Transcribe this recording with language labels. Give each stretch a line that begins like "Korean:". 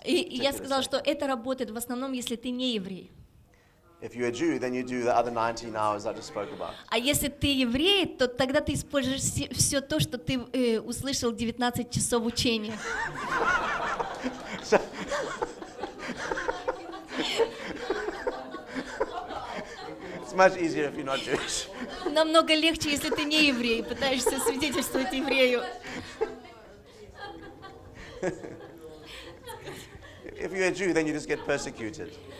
Russian: И я сказала, что это работает в основном, если ты не еврей.
English: If you're a Jew, then you do the other 19 hours I just spoke about.
Russian: А если ты еврей, то тогда ты используешь все то, что ты услышал 19 часов учения.
English: So, much easier if you're not Jewish.
Russian: Намного легче, если ты не еврей, пытаешься свидетельствовать еврею.
English: If you're a Jew, then you just get persecuted.